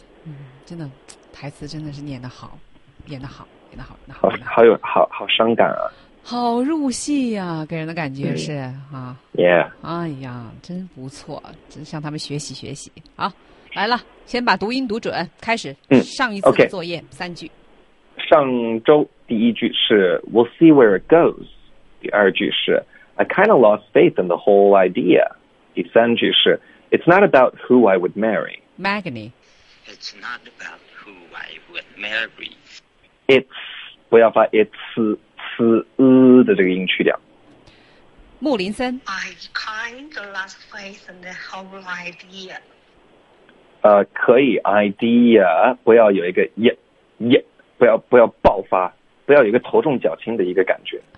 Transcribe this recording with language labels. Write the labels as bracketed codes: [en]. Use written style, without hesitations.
[zh] 嗯，真的，台词真的是念得好，演得好，演得好，演得好，好，好有好好伤感啊，好入戏呀、啊，给人的感觉是、嗯、啊 [en] ，Yeah， [zh] 哎呀，真不错，真向他们学习学习。好，来了，先把读音读准，开始。嗯，上一次的作业、 [en] okay. [zh] 三句。上周第一句是 [en] "We'll see where it goes"， [zh] 第二句是 [en] "I kind of lost faith in the whole idea"， [zh] 第三句是 [en] "It's not about who I would marry"。 Magni。 It's not about who I would marry. It's [zh] 不要发 [en] it's [zh] 是的这个音去掉。木林森。 [en] I kind of lost faith in the whole idea. [zh] 可以 idea 不要有一个 也不要爆发，不要有一个头重脚轻的一个感觉。